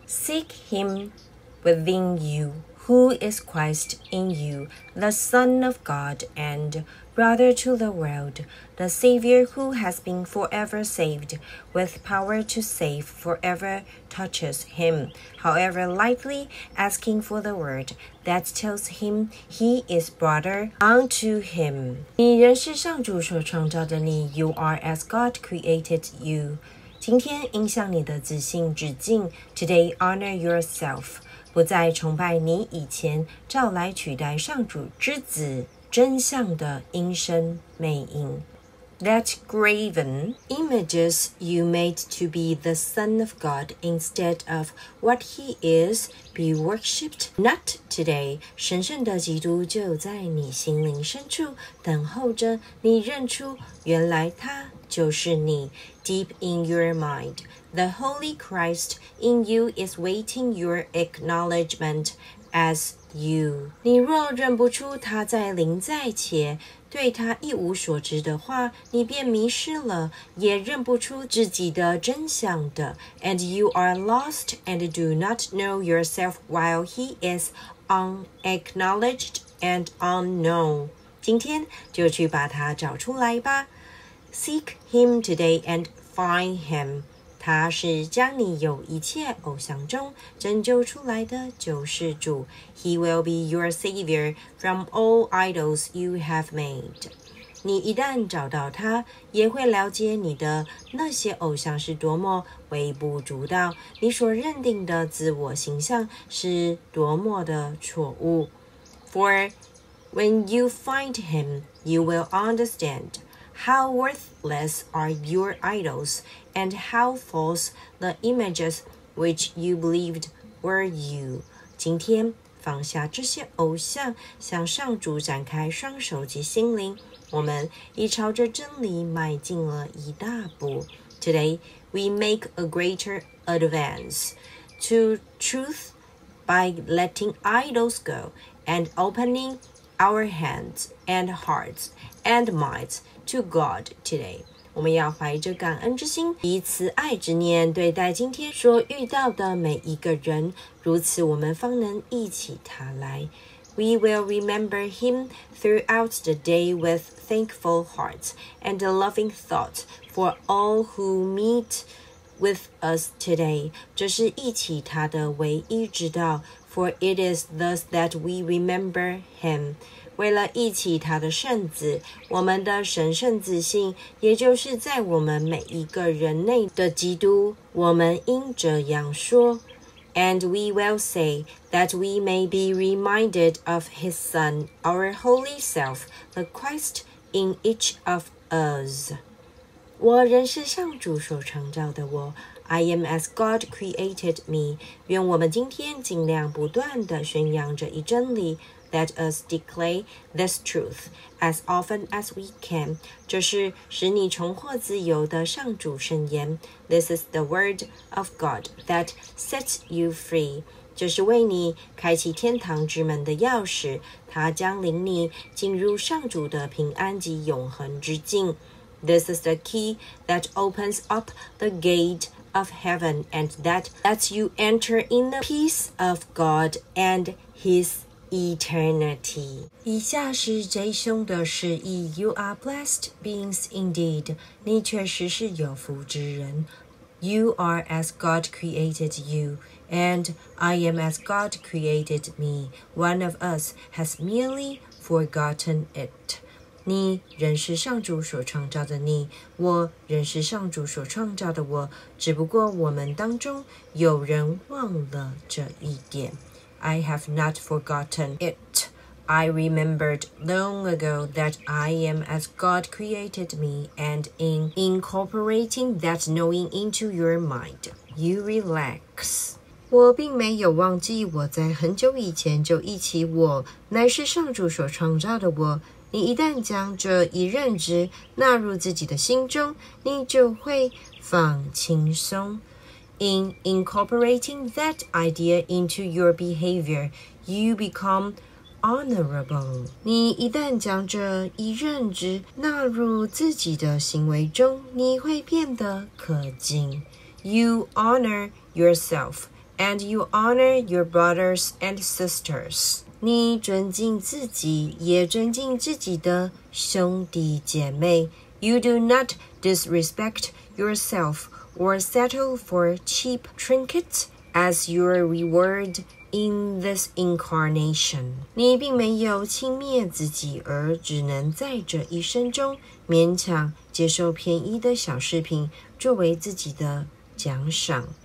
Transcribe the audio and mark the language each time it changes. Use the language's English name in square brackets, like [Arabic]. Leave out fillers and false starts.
[English] Seek him within you, who is Christ in you, the Son of God and Brother to the world, the Savior who has been forever saved, with power to save forever touches him, however lightly asking for the word that tells him he is brother unto him. [Chinese] 你仍是上主所创造的你， [English] you are as God created you. [Chinese] 今天应向你的自信致敬， [English] today honor yourself. [Chinese] 不再崇拜你以前召来取代上主之子真相的音声美音。 [English] That graven images you made to be the Son of God instead of what He is be worshipped not today. [Chinese] 神圣的基督就在你心灵深处等候着你认出原来他就是你。 [English] Deep in your mind, the Holy Christ in you is waiting your acknowledgement as you. [Chinese] 你若认不出他在临在前，对他一无所知的话，你便迷失了，也认不出自己的真相的。 [English] And you are lost and do not know yourself while he is unacknowledged and unknown. [Chinese] 今天就去把他找出来吧。 [English] Seek him today and find him. [Chinese] 他是将你有一切偶像中拯救出来的救世主。 [English] He will be your savior from all idols you have made. [Chinese] 你一旦找到他，也会了解你的那些偶像是多么微不足道，你所认定的自我形象是多么的错误。 [English] For when you find him, you will understand how worthless are your idols and how false the images which you believed were you. [Chinese] 今天放下这些偶像，向上主展开双手及心灵，我们已朝着真理迈进了一大步。 [English] Today we make a greater advance to truth by letting idols go and opening our hands and hearts and minds to God today. [Chinese] 我们要怀着感恩之心，以慈爱之念对待今天所遇到的每一个人，如此我们方能忆起他来。 [English] We will remember him throughout the day with thankful hearts and a loving thought for all who meet with us today. [Chinese] 这是忆起他的唯一之道。 [English] For it is thus that we remember him. [Chinese] 为了忆起他的圣子，我们的神圣子性，也就是在我们每一个人内的基督，我们应这样说。 [English] And we will say that we may be reminded of his son, our holy self, the Christ in each of us. [Chinese] 我仍是上主所创造的我。 [English] I am as God created me. [Chinese] 愿我们今天尽量不断地宣扬这一真理。 [English] Let us declare this truth as often as we can. [Chinese] 这是使你重获自由的上主圣言。 [English] This is the word of God that sets you free. [Chinese] 这是为你开启天堂之门的钥匙。它将领你进入上主的平安及永恒之境。 [English] This is the key that opens up the gate of heaven and that lets you enter in the peace of God and His eternity. [Chinese] 以下是最凶的示意。 [English] You are blessed beings indeed. [Chinese] 你确实是有福之人。 [English] You are as God created you, and I am as God created me. One of us has merely forgotten it. [Chinese] 你仍是上主所创造的你，我仍是上主所创造的我，只不过我们当中有人忘了这一点。 [English] I have not forgotten it. I remembered long ago that I am as God created me, and in incorporating that knowing into your mind, you relax. [Chinese] 我并没有忘记我在很久以前就忆起我乃是上主所创造的我。你一旦将这一认知纳入自己的心中，你就会放轻松。 [English] In incorporating that idea into your behavior, you become honorable. [Chinese] 你一旦将这一认知纳入自己的行为中，你会变得可敬。 [English] You honor yourself. And you honor your brothers and sisters. [Chinese] 你尊敬自己，也尊敬自己的兄弟姐妹。 [English] You do not disrespect yourself or settle for cheap trinkets as your reward in this incarnation. [Chinese] 你并没有轻蔑自己，而只能在这一生中勉强接受便宜的小饰品作为自己的奖赏。